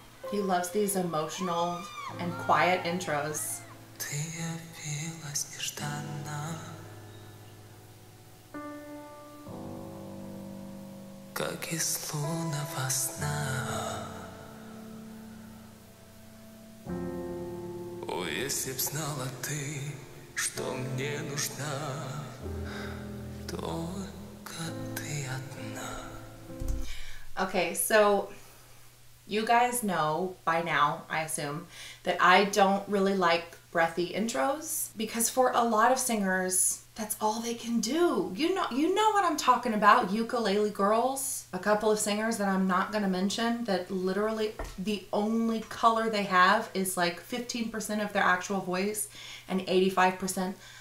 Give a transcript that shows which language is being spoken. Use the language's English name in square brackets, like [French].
[English] He loves these emotional and quiet intros. [Russian] Ты явилась нежданно, как из лунного сна. О, если б знала ты, что мне нужна, только ты одна. [English] Okay, so you guys know by now, I assume, that I don't really like breathy intros because for a lot of singers, that's all they can do. You know what I'm talking about, ukulele girls. A couple of singers that I'm not gonna mention that literally the only color they have is like 15% of their actual voice and 85%.